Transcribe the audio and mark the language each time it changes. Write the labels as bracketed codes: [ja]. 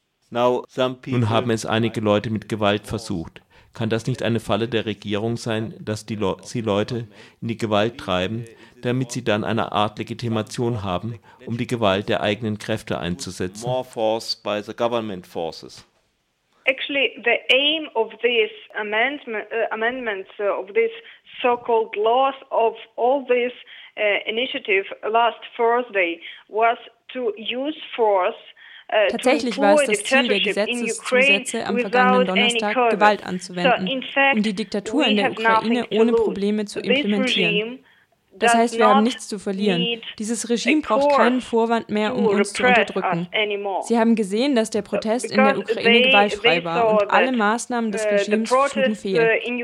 [de] Nun haben es einige Leute mit Gewalt versucht. Kann das nicht eine Falle der Regierung sein, dass sie Leute in die Gewalt treiben, damit sie dann eine Art Legitimation haben, um die Gewalt der eigenen Kräfte einzusetzen? [en] More force by the government forces. Actually, the aim of these amendments of these so-called laws of all this initiative last Thursday was to use force. [de] Tatsächlich war es das Ziel der Gesetzeszusätze am vergangenen Donnerstag, Gewalt anzuwenden, um die Diktatur in der Ukraine ohne Probleme zu implementieren. Das heißt, wir haben nichts zu verlieren. Dieses Regime braucht keinen Vorwand mehr, um uns zu unterdrücken. Sie haben gesehen, dass der Protest in der Ukraine gewaltfrei war und alle Maßnahmen des Regimes schlugen fehl.